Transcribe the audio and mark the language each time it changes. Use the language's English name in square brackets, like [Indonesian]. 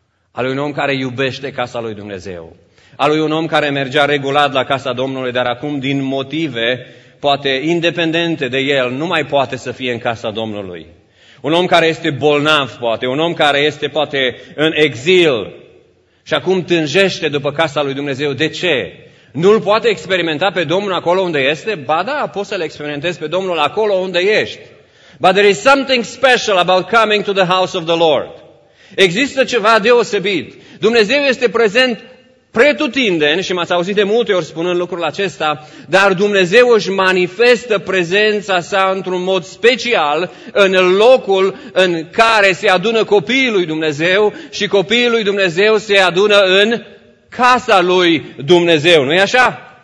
[Romanian] Al unui om care iubește casa lui Dumnezeu. Al unui om care mergea regulat la casa Domnului, dar acum din motive, poate independente de el, nu mai poate să fie în casa Domnului. Un om care este bolnav, poate. Un om care este, poate, în exil. Și acum tânjește după casa lui Dumnezeu. De ce? Nu-L poate experimenta pe Domnul acolo unde este? Ba da, poți să-L experimentezi pe Domnul acolo unde ești. [English] But there is something special about coming to the house of the Lord. [Romanian] Există ceva deosebit. Dumnezeu este prezent pretutindeni, și m-ați auzit de multe ori spunând lucrul acesta, dar Dumnezeu își manifestă prezența sa într-un mod special în locul în care se adună copiii lui Dumnezeu și copiii lui Dumnezeu se adună în casa lui Dumnezeu, nu-i așa?